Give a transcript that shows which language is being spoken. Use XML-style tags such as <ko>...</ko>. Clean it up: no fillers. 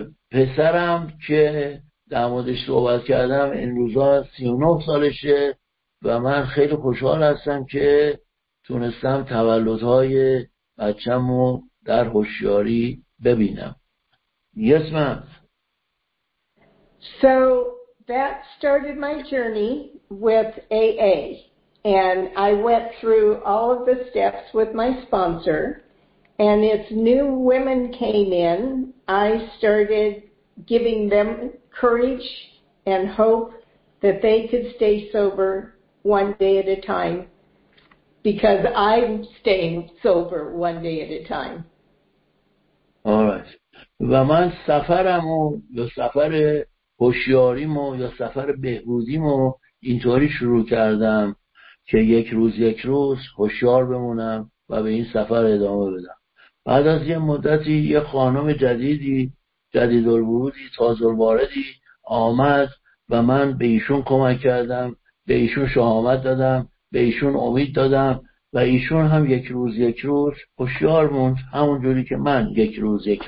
<fa>پسرم که در موردش صحبت کردم این روزا 39 سالشه و من خیلی خوشحال هستم که تونستم تولدهای بچه‌مو در هوشیاری ببینم.</fa> <en>Yes, ma'am. So that started my journey with AA, and I went through all of the steps with my sponsor, and as new women came in, I started giving them courage and hope that they could stay sober one day at a time, because I'm staying sober one day at a time. All right.</en> <fa>و من سفرمو یا سفر هوشیاریمو یا سفر بهبودیمو اینطوری شروع کردم که یک روز هوشیار بمونم و به این سفر ادامه بدم. بعد از یه مدتی یه خانم جدیدالورودی تازه‌واردی آمد و من به ایشون کمک کردم، به ایشون شهامت دادم، به ایشون امید دادم و ایشون هم یک روز هوشیار موند، همون جوری که من یک روز</fa>